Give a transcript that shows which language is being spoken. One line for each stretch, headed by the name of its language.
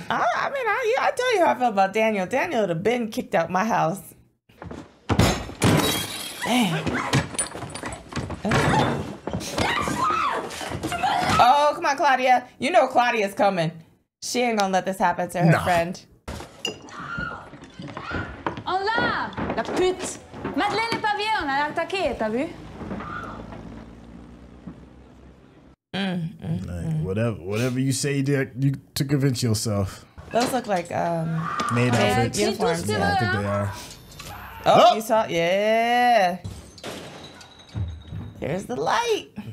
English: I tell you how I feel about Daniel. Daniel would have been kicked out my house. Damn. Oh, come on, Claudia. You know Claudia's coming. She ain't gonna let this happen to her friend.
French: La pute! Madeleine est pas bien, on a l'attaqué, t'as vu?
English: Whatever you say, Dick, you to convince yourself. Those look like, made outfits. Uniforms. Yeah, I think they are. Oh, you saw, yeah! There's the light!